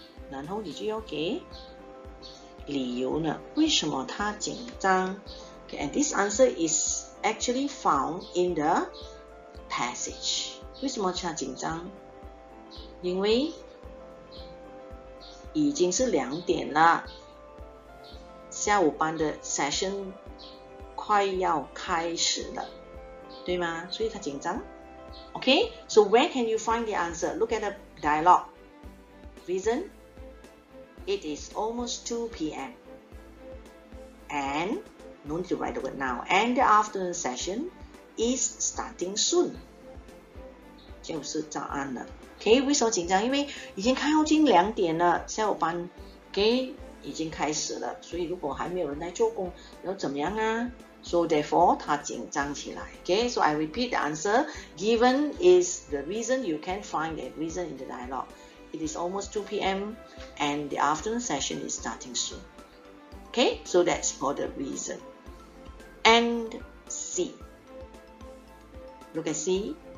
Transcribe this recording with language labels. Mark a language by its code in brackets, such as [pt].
[zh] 然后你就要给理由呢, 为什么他紧张? [en] Okay, and this answer is actually found in the passage. [zh] 为什么他紧张?因为已经是两点了，下午班的 session 快要开始了，对吗？所以他紧张。 [en] Okay, so where can you find the answer? Look at the dialogue. Reason, it is almost 2 p.m. And, no need to write the word now, and the afternoon session is starting soon. [zh] 就是早安了.Okay, 为什么紧张? 因为已经靠近两点了, 下午班, okay, 已经开始了, 所以如果还没有人来做工, 要怎么样啊? [en] So therefore, [zh] 他紧张起来. [en] Okay, so I repeat the answer. Given is the reason, you can find a reason in the dialogue. It is almost 2 p.m. and the afternoon session is starting soon. Okay, so that's for the reason. And C. Look at C.